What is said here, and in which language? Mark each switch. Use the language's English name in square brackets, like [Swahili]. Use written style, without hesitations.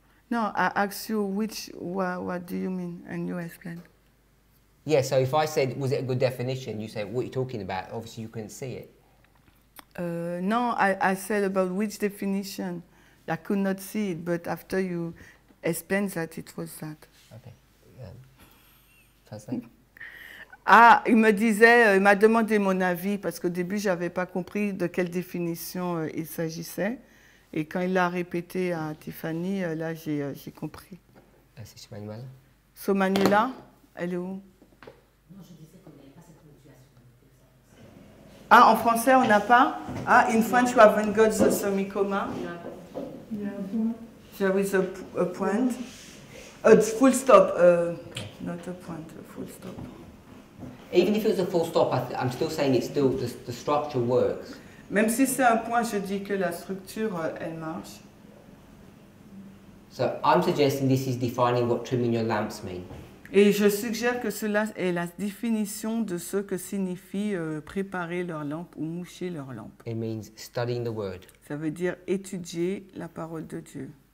[English] No, I asked you what do you mean, and you explained. Yeah, so if I said, was it a good definition? You say, what are you talking about? Obviously, you couldn't see it. No, I said about which definition. I could not see it, but after you explained that, it was that. Okay. Translate. [French] Ah, il me disait, il m'a demandé mon avis, parce qu'au début, je n'avais pas compris de quelle définition il s'agissait. Et quand il l'a répété à Tiffany, là, j'ai compris. C'est Manuel. So Manuela, elle est où? Ah, en français, on n'a pas? [English] Ah, in French, you haven't got the semi-comma. Yeah. There is a point. It's full stop. Not a point, a full stop. Even if it was a full stop, I'm still saying it's still, the structure works. [French] Même si c'est un point, je dis que la structure, elle marche. [English] So, I'm suggesting this is defining what trimming your lamps mean. [French] Et je suggère que cela est la définition de ce que signifie préparer leur lampe ou moucher leur lampe. [English] It means studying the word. [French] Ça veut dire étudier la parole de Dieu.